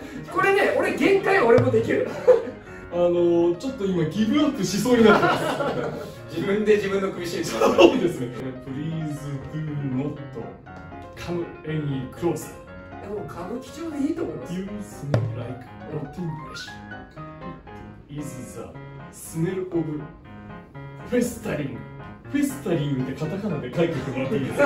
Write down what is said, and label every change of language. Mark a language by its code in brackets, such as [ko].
[ja] これね、俺限界俺もできるちょっと今ギブアップしそうになってます自分で自分の首絞め [en] た、 [ja] そうですね、 [en] Please do notCome any closer. [ja] でも歌舞伎町でいいと思います。 [en] You smell like rotten flesh. Is the smell of festering. [ja] Festering ってカタカナで書いてもらっていいですか？